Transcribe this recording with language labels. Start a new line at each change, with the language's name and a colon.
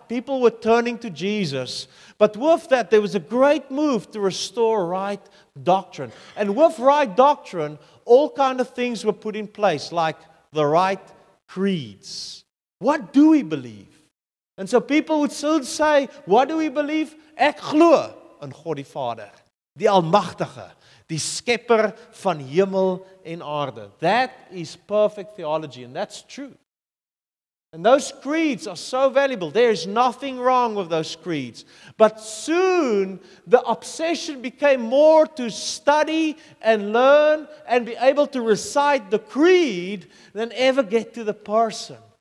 English: People were turning to Jesus. But with that, there was a great move to restore right doctrine. And with right doctrine, all kind of things were put in place, like the right creeds. What do we believe? And so people would still say, what do we believe?
Afrikaans: Ek glo in God die Vader, die Almagtige, die Skepper van hemel en aarde.
English: That is perfect theology, and that's true. And those creeds are so valuable. There is nothing wrong with those creeds. But soon, the obsession became more to study and learn and be able to recite the creed than ever get to the person.